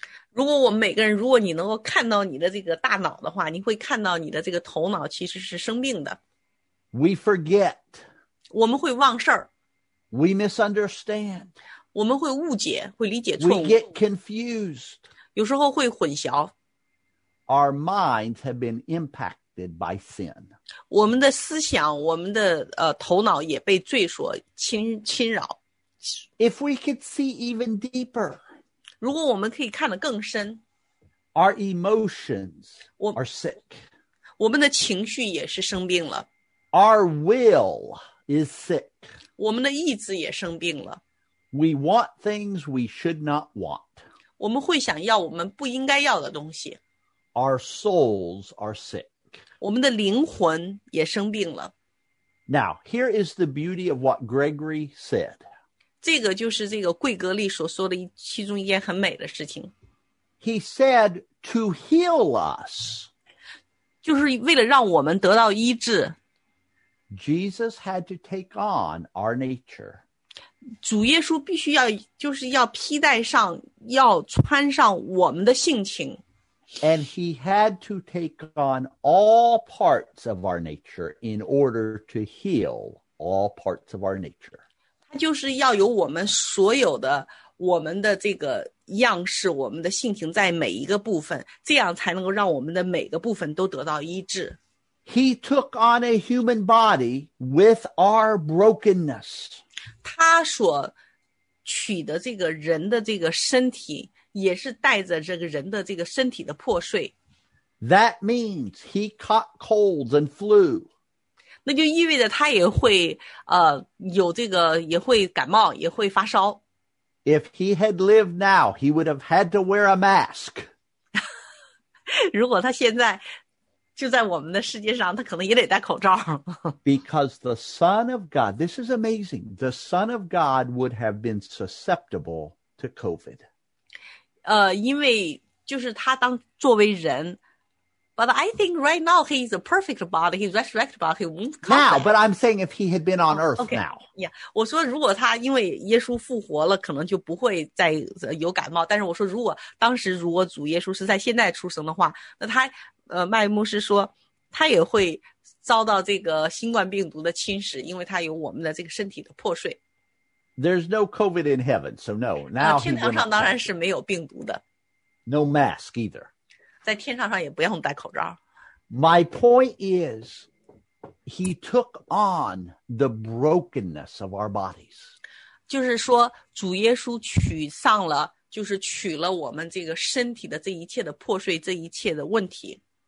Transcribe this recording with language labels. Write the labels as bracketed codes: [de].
[zh] 如果我们每个人，如果你能够看到你的这个大脑的话，你会看到你的这个头脑其实是生病的。 [en] We forget. [zh] 我们会忘事儿。 [en] We misunderstand. [zh] 我们会误解，会理解错误。 [en] We get confused. [zh] 有时候会混淆。 [en] Our minds have been impacted by sin. [zh] 我们的思想，我们的头脑也被罪所侵扰。 [en] If we could see even deeper, [zh] 如果我们可以看得更深。 [en] Our emotions are sick. [zh] 我们的情绪也是生病了。 [en] Our will is sick. [zh] 我们的意志也生病了。 [en] We want things we should not want. [zh] 我们会想要我们不应该要的东西。 [en] Our souls are sick. [zh] 我们的灵魂也生病了。 [en] Now, here is the beauty of what Gregory said. [zh] 这个就是这个贵格利所说的其中一件很美的事情。 [en] He said, to heal us. [zh] 就是为了让我们得到医治。 [en] Jesus had to take on our nature. [zh] 主耶稣必须要就是要披戴上要穿上我们的性情。 [en] And he had to take on all parts of our nature in order to heal all parts of our nature. [zh] 他就是要有我们所有的我们的这个样式我们的性情在每一个部分这样才能够让我们的每个部分都得到医治。 [en] He took on a human body with our brokenness. [zh] 他所取的这个人的这个身体也是带着这个人的这个身体的破碎。 [en] That means he caught colds and flu. [zh] 那就意味着他也会有这个也会感冒也会发烧。 [en] If he had lived now, he would have had to wear a mask. [zh] 如果他现在就在我们的世界上他可能也得戴口罩。 [en] Because the Son of God, this is amazing, the Son of God would have been susceptible to COVID. [zh] 因为就是他当作为人 [en] But I think right now he's a perfect body, he's resurrected body, he won't come now, back. But I'm saying if he had been on earth okay, now. [zh] Yeah, 我说如果他因为耶稣复活了，可能就不会再有感冒。但是我说如果当时如果主耶稣是在现代出生的话，那他麦牧师说他也会遭到这个新冠病毒的侵蚀，因为他有我们的这个身体的破碎。 [en] There's no COVID in heaven, so no. Now [zh] 天堂上当然是没有病毒的。 [en] No mask either. [zh] 在天堂上也不用戴口罩。 [en] My point is, he took on the brokenness of our bodies. [zh] 就是说主耶稣取上了，就是取了我们这个身体的这一切的破碎，这一切的问题。